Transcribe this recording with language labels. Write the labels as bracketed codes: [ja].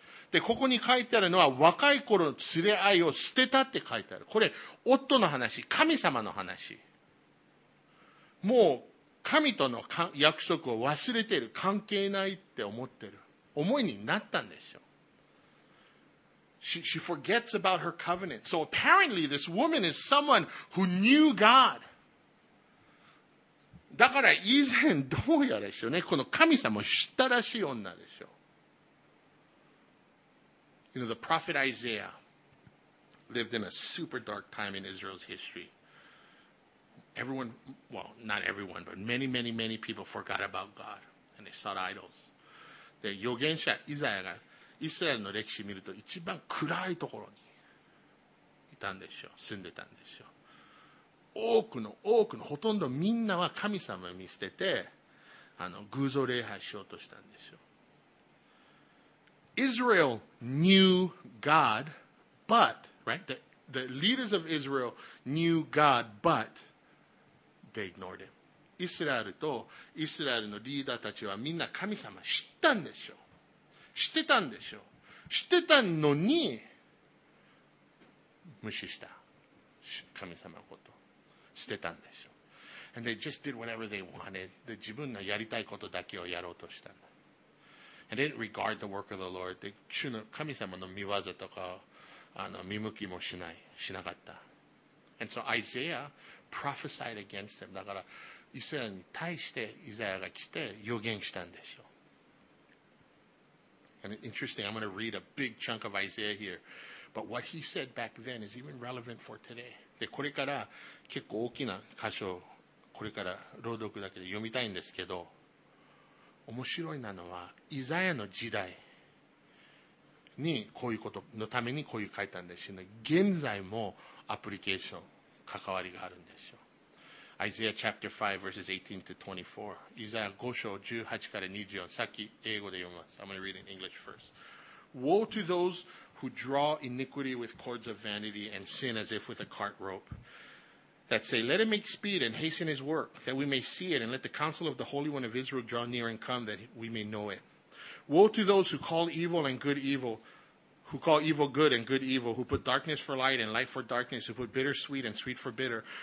[ja] で、ここに書いてあるのは、若い頃の連れ合いを捨てたって書いてある。これ、夫の話、神様の話。もう、神との約束を忘れてる。関係ないって思ってる。思いになったんでしょう。 [en] She forgets about her covenant. So apparently this woman is someone who knew God. [ja] だから以前どうやらでしょうね、この神様を知ったらしい女でしょう。 [en] You know, the prophet Isaiah lived in a super dark time in Israel's history. Everyone, well, not everyone, but many, many, many people forgot about God and they sought idols. [ja] で、預言者イザヤがイスラエルの歴史を見ると一番暗いところにいたんでしょう、住んでたんでしょう。多くのほとんどみんなは神様を見捨てて、偶像礼拝しようとしたんでしょう。 [en] Israel knew God, but, right, the leaders of Israel knew God, but they ignored him. [ja] イスラエルとイスラエルのリーダーたちはみんな神様知ったんでしょう。知ってたんでしょう。知ってたのに、無視した。神様のこと。捨てたんでしょう。 [en] And they just did whatever they wanted. [ja] で、自分のやりたいことだけをやろうとしたんだ。 [en] And they didn't regard the work of the Lord. [ja] で、主の神様の御業とか、見向きもしなかった。 [en] And so Isaiah prophesied against them. [ja] だから、イスラエルに対してイザヤが来て予言したんでしょう。 [en] And interesting, I'm going to read a big chunk of Isaiah here. But what he said back then is even relevant for today. [ja] で、これから結構大きな箇所をこれから朗読だけで読みたいんですけど、面白いなのはイザヤの時代にこういうことのためにこういう書いたんですよね。現在もアプリケーション関わりがあるんですよ。 [en] Isaiah chapter 5 verses 18 to 24. Isaiah 5 [ja] 章18から24. さっき英語で読みます。 [en] I'm going to read in English first. Woe to those who draw iniquity with cords of vanity and sin as if with a cart rope, that say, let him make speed and hasten his work, that we may see it, and let the counsel of the Holy One of Israel draw near and come, that we may know it. Woe to those who call evil and good evil, who call evil good and good evil, who put darkness for light and light for darkness, who put bitter sweet and sweet for bitter.